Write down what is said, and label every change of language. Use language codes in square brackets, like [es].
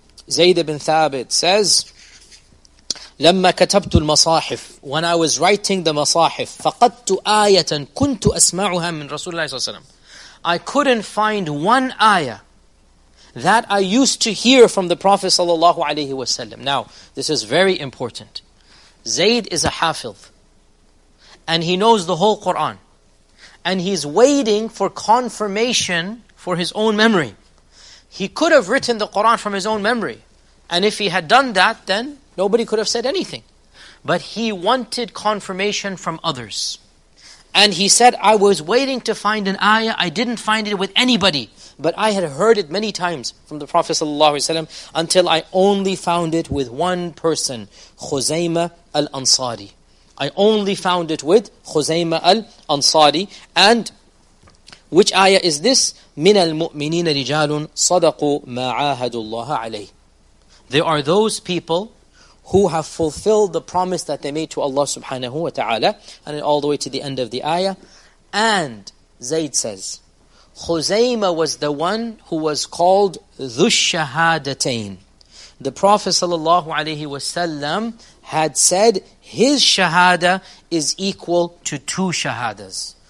[en] Zayd ibn Thabit says, [ar] لما كتبت المصاحف, [en] when I was writing the masahif, [ar] فقدت آية كنت أسمعها من رسول الله صلى الله عليه وسلم. [en] I couldn't find one ayah that I used to hear from the Prophet sallallahu alaihi wasallam. Now, this is very important. Zayd is a hafiz, and he knows the whole Quran, and he's waiting for confirmation for his own memory. He could have written the Quran from his own memory, and if he had done that, then nobody could have said anything. But he wanted confirmation from others. And he said, I was waiting to find an ayah. I didn't find it with anybody. But I had heard it many times from the Prophet ﷺ until I only found it with one person, Khuzaymah al-Ansari. I only found it with Khuzaymah al-Ansari. And which ayah is this? [ar] مِنَ الْمُؤْمِنِينَ رِجَالٌ صَدَقُوا مَا عَاهَدُ اللَّهَ عَلَيْهِ. [en] There are those people who have fulfilled the promise that they made to Allah subhanahu wa ta'ala, and all the way to the end of the ayah. And Zayd says, Khuzaymah was the one who was called Dhu-Shahadatayn. The Prophet sallallahu alayhi wa sallam had said, his shahada is equal to two shahadas.